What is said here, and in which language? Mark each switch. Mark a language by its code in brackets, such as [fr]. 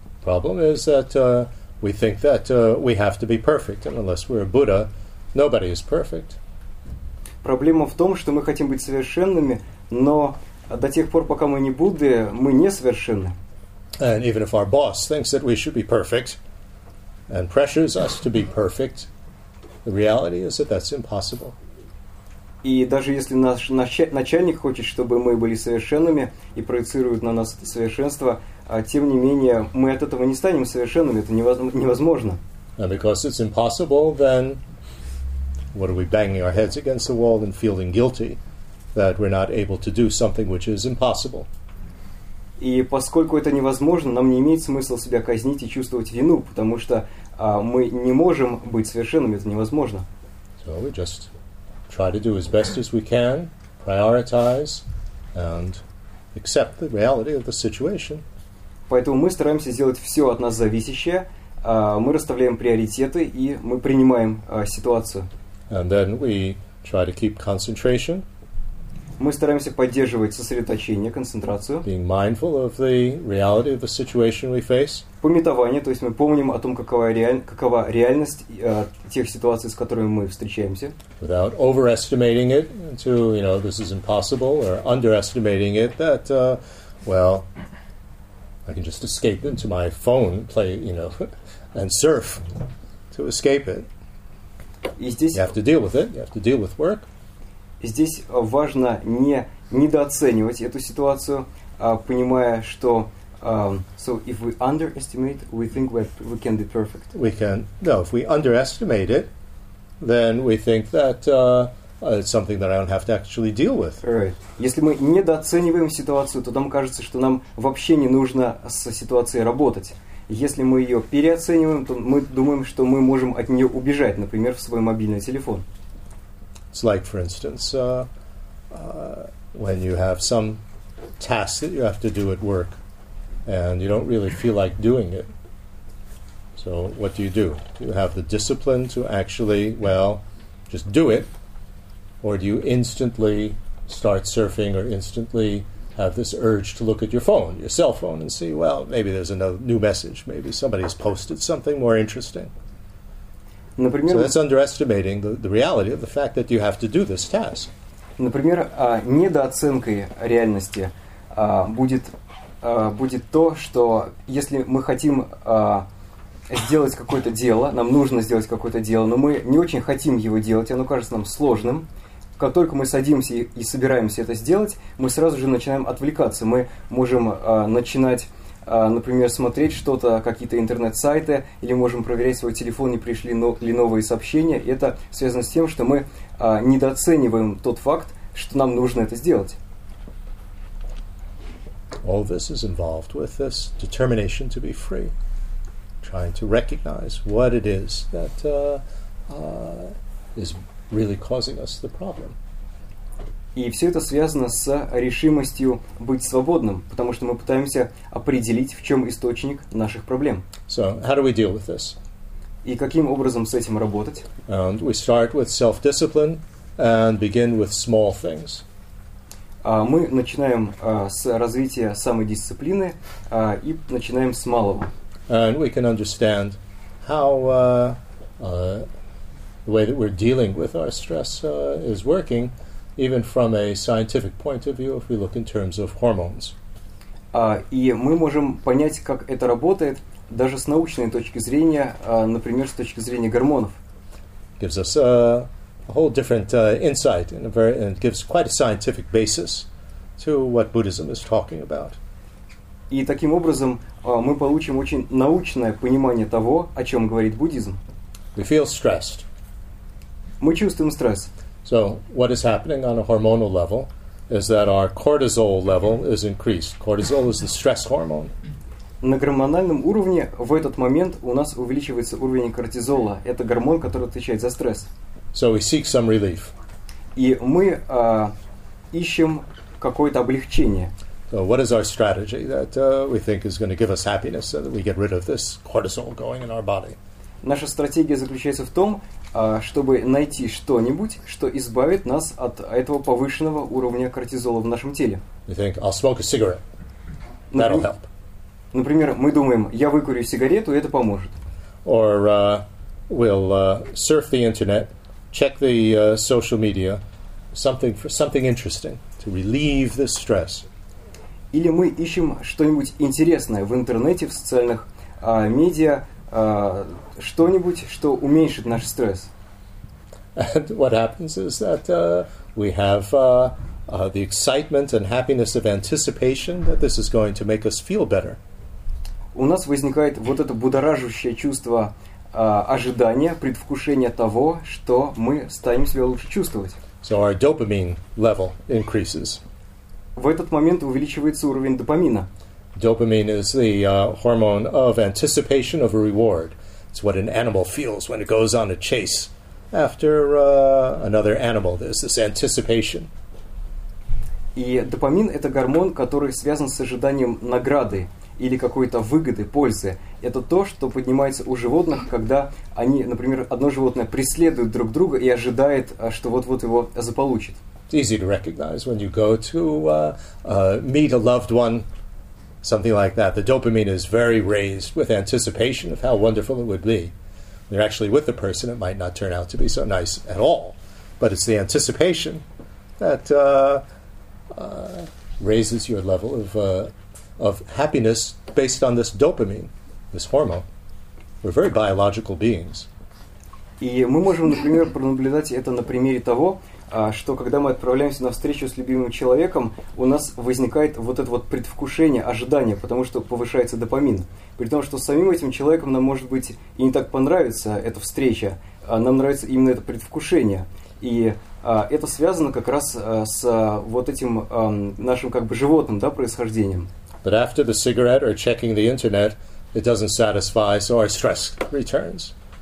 [en] Problem is that we think that we have to be perfect, and unless we're a Buddha, nobody is perfect. [ru] Проблема в том, что мы хотим быть совершенными, но до тех пор, пока мы не Будды, мы не совершенны. [en] And even if our boss thinks that we should be perfect and pressures us to be perfect, the reality is that that's impossible. [ru] И даже если наш начальник хочет, чтобы мы были совершенными и проецирует на нас это совершенство, тем не менее, мы от этого не станем совершенными, это невозможно. [en] And because it's impossible, then what are we banging our heads against the wall and feeling guilty that we're not able to do something which is impossible. [ru] И поскольку это невозможно, нам не имеет смысла себя казнить и чувствовать вину, потому что мы не можем быть совершенными, это невозможно. [en] So we just try to do as best as we can, prioritize and accept the reality of the situation. [ru] Поэтому мы стараемся сделать все от нас зависящее, мы расставляем приоритеты и мы принимаем ситуацию. [en] And then we try to keep concentration. [ru] Мы стараемся поддерживать сосредоточение, концентрацию. [en] Being mindful of the reality of the situation we face. [ru] Памятование, то есть мы помним о том, какова реальность тех ситуаций, с которыми мы встречаемся. [en] Without overestimating it to, you know, this is impossible, or underestimating it that, well, I can just escape into my phone, play, you know, and surf to escape it. [ru] И здесь [en] you have to deal with it, you have to deal with work. [ru] Здесь важно не недооценивать эту ситуацию, понимая, что [en] so if we underestimate, we think we can be perfect. We can no, if we underestimate it, then we think that it's something that I don't have to actually deal with. Right. [ru] Если мы недооцениваем ситуацию, то нам кажется, что нам вообще не нужно с ситуацией работать. Если мы ее переоцениваем, то мы думаем, что мы можем от нее убежать, например, в свой мобильный телефон. [en] It's like, for instance, when you have some task that you have to do at work and you don't really feel like doing it. So what do? Do you have the discipline to actually, well, just do it? Or do you instantly start surfing or instantly have this urge to look at your phone, your cell phone, and see, well, maybe there's a new message. Maybe somebody has posted something more interesting. [ru] Например, [en] so that's underestimating the reality of the fact that you have to do this task. [ru] Например, недооценкой реальности будет то, что если мы хотим сделать какое-то дело, нам нужно сделать какое-то дело, но мы не очень хотим его делать, оно кажется нам сложным. Как только мы садимся и собираемся это сделать, мы сразу же начинаем отвлекаться. Мы можем например, смотреть что-то, какие-то интернет-сайты, или можем проверять свой телефон, не пришли ли новые сообщения. И это связано с тем, что мы недооцениваем тот факт, что нам нужно это сделать. [en] All this is involved with this determination to be free, trying to recognize what it is that is really causing us the problem. [ru] И все это связано с решимостью быть свободным, потому что мы пытаемся определить, в чем источник наших проблем. [en] So, how do we deal with this? [ru] И каким образом с этим работать? [en] And we start with self-discipline and begin with small things. [ru] Мы начинаем с развития самодисциплины и начинаем с малого. [en] And we can understand how the way that we're dealing with our stress is working. Even from a scientific point of view, if we look in terms of hormones. [ru] И мы можем понять, как это работает, даже с научной точки зрения, например, с точки зрения гормонов. [en] Gives us a whole different insight in a very, and gives quite a scientific basis to what Buddhism is talking about. [ru] И таким образом мы получим очень научное понимание того, о чем говорит буддизм. [en] We feel stressed. [ru] Мы чувствуем стресс. [en] So what is happening on a hormonal level is that our cortisol level is increased. Cortisol is the stress hormone. [ru] На гормональном уровне в этот момент у нас увеличивается уровень кортизола. Это гормон, который отвечает за стресс. [en] So we seek some relief. [ru] И мы ищем какое-то облегчение. [en] So what is our strategy that we think is going to give us happiness so that we get rid of this cortisol going in our body? [ru] Наша стратегия заключается в том, чтобы найти что-нибудь, что избавит нас от этого повышенного уровня кортизола в нашем теле. [en] You think, I'll smoke a cigarette. That'll help. [ru] Например, мы думаем, я выкурю сигарету, это поможет. [en] Or we'll surf the internet, check the social media, something interesting to relieve this stress. [ru] Или мы ищем что-нибудь интересное в интернете, в социальных медиа, что-нибудь, что уменьшит наш стресс. [en] And what happens is that we have the excitement and happiness of anticipation that this is going to make us feel better. [ru] У нас возникает вот это будоражащее чувство ожидания, предвкушения того, что мы станем себя лучше чувствовать. [en] So our dopamine level increases. [ru] В этот момент увеличивается уровень допамина. [en] Dopamine is the hormone of anticipation of a reward. It's what an animal feels when it goes on a chase after another animal. There's this anticipation. [ru] И допамин — это гормон, который связан с ожиданием награды или какой-то выгоды, пользы. Это то, что поднимается у животных, когда они, например, одно животное преследует друг друга и ожидает, что вот-вот его заполучит. [en] It's easy to recognize when you go to meet a loved one. Something like that. The dopamine is very raised with anticipation of how wonderful it would be. When you're actually with the person, it might not turn out to be so nice at all. But it's the anticipation that raises your level of happiness based on this dopamine, this hormone. We're very biological beings. [ru] И мы можем, например, пронаблюдать это на примере того, что когда мы отправляемся на встречу с любимым человеком, у нас возникает вот это вот предвкушение, ожидание, потому что повышается допамин. При том, что самим этим человеком нам, может быть, и не так понравится эта встреча, нам нравится именно это предвкушение. И это связано как раз с вот этим нашим как бы животным, да, происхождением. [en] But after the cigarette or checking the internet, it doesn't satisfy, so our stress returns.